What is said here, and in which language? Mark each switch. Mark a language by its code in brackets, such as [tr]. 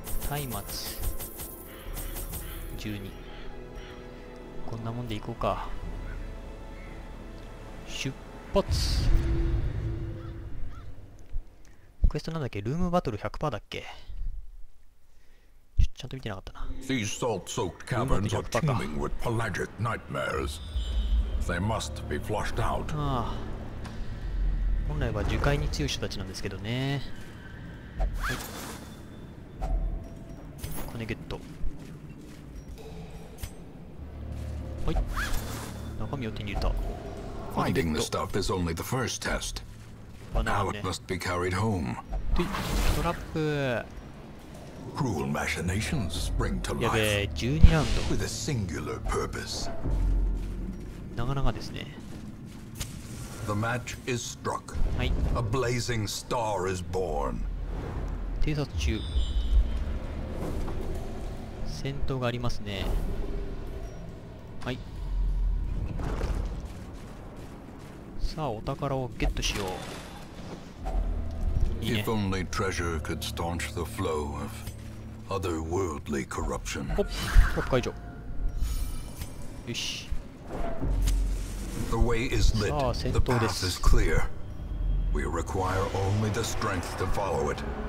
[ja] 松明12、こんなもんでいこうか。出発。クエストなんだっけ、ルームバトル 100% だっけ。ちゃんと見てなかったな。 [en] These salt-soaked caverns are teeming with pelagic nightmares. They must be flushed out. [ja] 本来は樹海に強い人たちなんですけどね。はい、金ゲット。はい、中身を手に入れた。 [en] Finding the stuff is only the first test. Now it must be carried home. [ja] トラップ。 [en] Cruel machinations spring to life. [ja] やべえ、12ラウンド。 [en] With a singular purpose. [ja] なかなかですね。 [en] The match is struck. [ja] はい。 [en] A blazing star is born. [ja] 偵察中。戦闘がありますね。はい。さあ、お宝をゲットしよう。いいね。 [en] If only treasure could staunch the flow of otherworldly corruption. [ja] ほっ、トラップ解除。よし。 [en] The way is lit. The path is clear. We require only the strength to follow it.